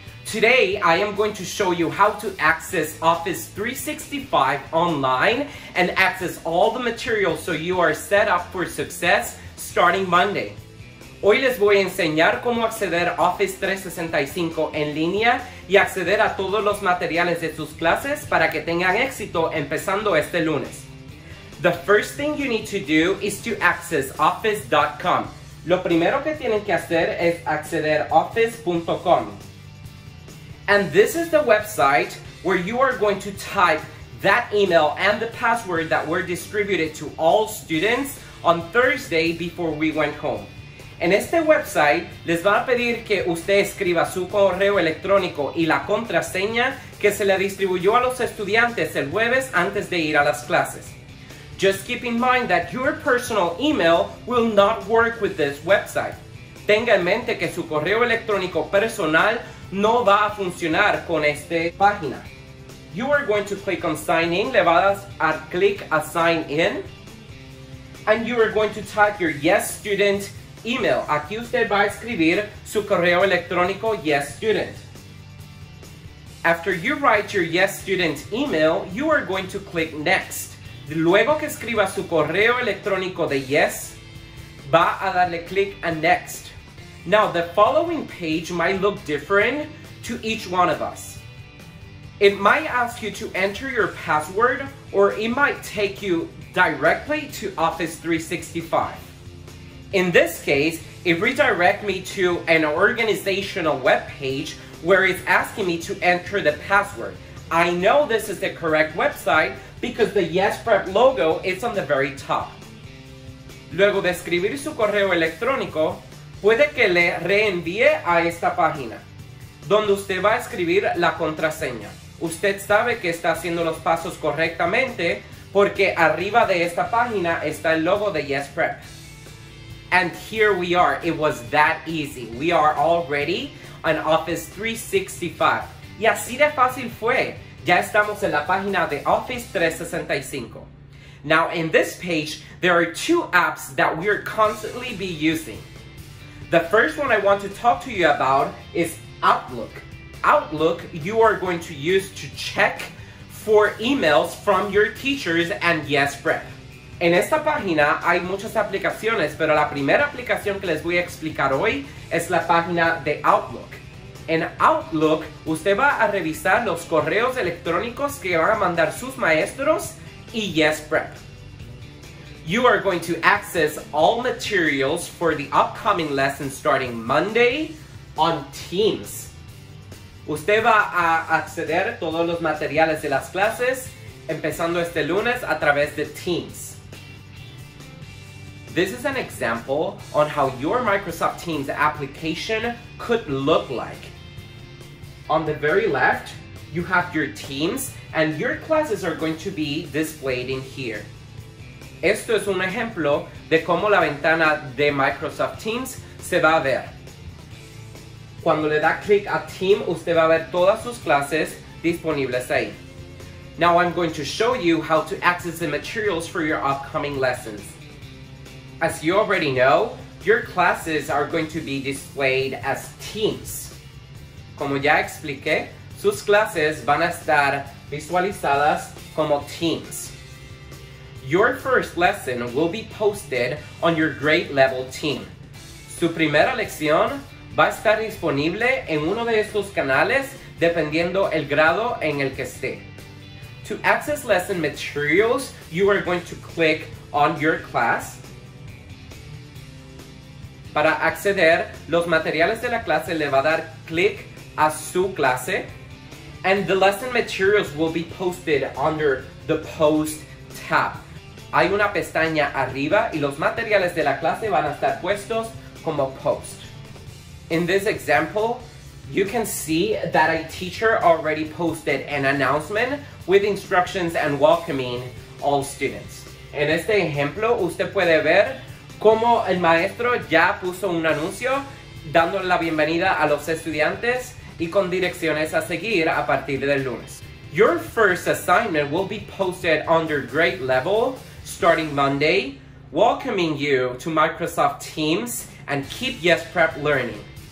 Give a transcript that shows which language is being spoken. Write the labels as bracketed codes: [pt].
[en] Today, I am going to show you how to access Office 365 online and access all the materials so you are set up for success starting Monday. [es] Hoy les voy a enseñar cómo acceder a Office 365 en línea y acceder a todos los materiales de sus clases para que tengan éxito empezando este lunes. [en] The first thing you need to do is to access office.com. [es] Lo primero que tienen que hacer es acceder office.com. [en] And this is the website where you are going to type that email and the password that were distributed to all students on Thursday before we went home. [es] En este website les va a pedir que usted escriba su correo electrónico y la contraseña que se le distribuyó a los estudiantes el jueves antes de ir a las clases. [en] Just keep in mind that your personal email will not work with this website. [es] Tenga en mente que su correo electrónico personal no va a funcionar con esta página. [en] You are going to click on sign in. [es] Le va a dar click a sign in. [en] And you are going to type your Yes Student email. [es] Aquí usted va a escribir su correo electrónico Yes Student. [en] After you write your Yes Student email, you are going to click next. [es] Luego que escriba su correo electrónico de Yes, va a darle click a Next. [en] Now, the following page might look different to each one of us. It might ask you to enter your password, or it might take you directly to Office 365. In this case, it redirects me to an organizational web page where it's asking me to enter the password. I know this is the correct website because the Yes Prep logo is on the very top. [es] Luego de escribir su correo electrónico, puede que le reenvíe a esta página, donde usted va a escribir la contraseña. Usted sabe que está haciendo los pasos correctamente porque arriba de esta página está el logo de Yes Prep. [en] And here we are. It was that easy. We are already on Office 365. [es] Y así de fácil fue. Ya estamos en la página de Office 365. [en] Now, in this page, there are two apps that we are constantly be using. The first one I want to talk to you about is Outlook. Outlook, you are going to use to check for emails from your teachers and Yes Prep. [es] En esta página hay muchas aplicaciones, pero la primera aplicación que les voy a explicar hoy es la página de Outlook. En Outlook, usted va a revisar los correos electrónicos que van a mandar sus maestros y Yes Prep. [en] You are going to access all materials for the upcoming lesson starting Monday on Teams. [es] Usted va a acceder a todos los materiales de las clases empezando este lunes a través de Teams. [en] This is an example on how your Microsoft Teams application could look like. On the very left, you have your Teams, and your classes are going to be displayed in here. [es] Esto es un ejemplo de cómo la ventana de Microsoft Teams se va a ver. Cuando le da click a Team, usted va a ver todas sus clases disponibles ahí. [en] Now I'm going to show you how to access the materials for your upcoming lessons. As you already know, your classes are going to be displayed as Teams. [es] Como ya expliqué, sus clases van a estar visualizadas como Teams. [en] Your first lesson will be posted on your grade level team. [es] Su primera lección va a estar disponible en uno de estos canales dependiendo el grado en el que esté. [en] To access lesson materials, you are going to click on your class. [es] Para acceder los materiales de la clase, le va a dar click a su clase, [en] and the lesson materials will be posted under the post tab. [es] Hay una pestaña arriba y los materiales de la clase van a estar puestos como post. [en] In this example, you can see that a teacher already posted an announcement with instructions and welcoming all students. [es] En este ejemplo, usted puede ver cómo el maestro ya puso un anuncio dando la bienvenida a los estudiantes y con direcciones a seguir a partir del lunes. [en] Your first assignment will be posted under grade level starting Monday, welcoming you to Microsoft Teams and keep Yes Prep learning.